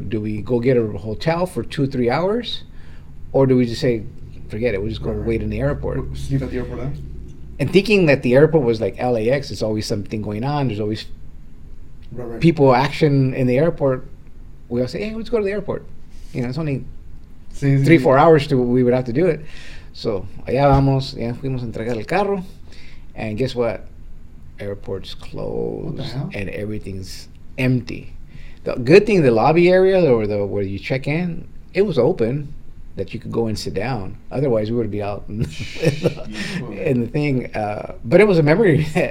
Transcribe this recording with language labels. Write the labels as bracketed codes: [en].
[en] Do we go get a hotel for 2-3 hours? Or do we just say, forget it, we're just going to wait in the airport. Sleep at the airport then? And thinking that the airport was like LAX, it's always something going on. There's always people action in the airport. We all say, hey, let's go to the airport. You know, it's only 3-4 hours to we would have to do it. [es] So allá vamos, ya fuimos a entregar el carro. [en] And guess what? Airport's closed and everything's empty. The good thing, the lobby area or the where you check in, it was open that you could go and sit down. Otherwise, we would be out in the thing. But it was a memory.